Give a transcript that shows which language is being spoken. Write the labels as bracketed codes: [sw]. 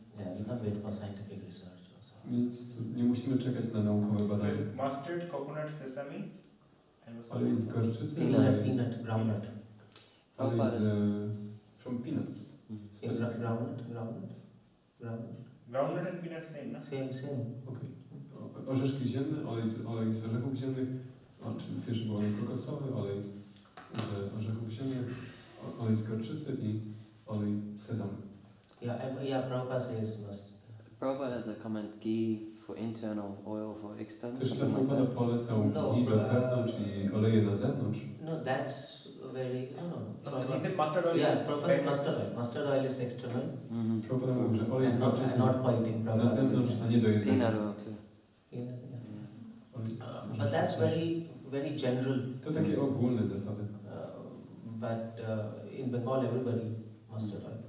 [en] Yeah, you can't wait for scientific research also. [pl] Więc nie musimy czekać na naukowe badania. [en] So mustard, coconut, sesame, and what's the other one? Peanut, groundnut. Olej is from peanuts. Groundnut, groundnut, groundnut. Groundnut and peanut same, no? Same, same. Okay. [pl] Orzeszki ziemne, olej z orzechów ziemnych. Czyli pierwszy był olej kokosowy, olej z orzechów ziemnych, olej z gorczycy i olej sedam. [en] Yeah, Prabhupada says mustard. Prabhupada has a comment, ghee for internal, oil for external. [pl] Krishna Prabhupada polecał ghee wewnątrz i oleje na zewnątrz. [en] No, that's very... He said mustard oil. Yeah, Prabhupada is mustard oil. Mustard oil is external. Mm-hmm. [pl] Prabhupada mówi, że olej [en] not, [pl] jest [en] not fighting, [pl] na zewnątrz, a nie do jedzenia. [en] Peanut oil too. Yeah, yeah. But that's very, very general. [pl] To takie ogólne zasady. [en] But in Bengal, everybody mustard oil.